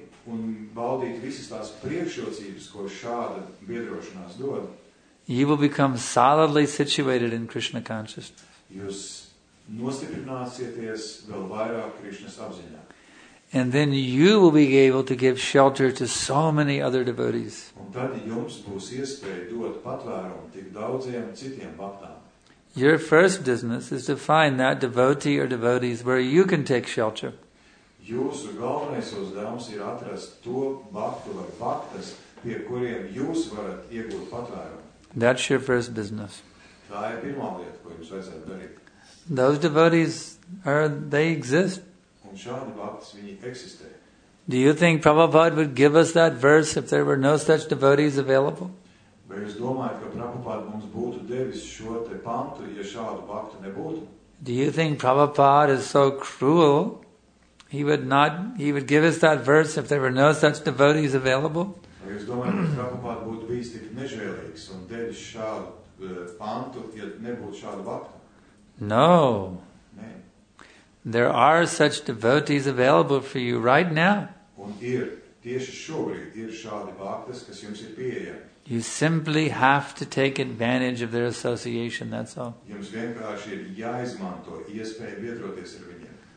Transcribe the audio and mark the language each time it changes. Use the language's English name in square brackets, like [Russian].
[Latvian] Un baudīt visas tās priekšrocības, ko šāda biedrošanās dod. [English] You will become solidly situated in Krishna consciousness. [Latvian] Jūs nostiprināsieties vēl vairāk Krishnas apziņā. [English] And then you will be able to give shelter to so many other devotees. [Latvian] Un tad jums būs iespēja dot patvērumu tik daudziem citiem bhaktām. [English] Your first business is to find that devotee or devotees where you can take shelter. [Latvian] Jūsu galvenais uzdevums ir atrast to bhaktu vai bhaktas, pie kuriem jūs varat iegūt patvērumu. [English] That's your first business. [Latvian] Tā ir pirmā lieta, ko jums vajadzētu darīt. [English] Those devotees, they exist. [Latvian] Un šādi bhaktas, viņi eksistē. [English] Do you think Prabhupada would give us that verse if there were no such devotees available? [Latvian] Vai jūs domājat, ka Prabhupada mums būtu devis šo te pantu, ja šādu bhaktu nebūtu? [English] Do you think Prabhupada is so cruel? He would give us that verse if there were no such devotees available? [Latvian] Vai jūs domājat, ka Prabhupada būtu bijis tik nežēlīgs un devis šādu pantu, ja nebūtu šādu bhaktu? [English] No. There are such devotees available for you right now. [Latvian] Un ir, tieši šobrīd, ir šādi bhaktas, kas jums ir pieejami. [English] You simply have to take advantage of their association, that's all. [Latvian] Jums vienkārši ir jāizmanto iespēju biedroties ar viņiem.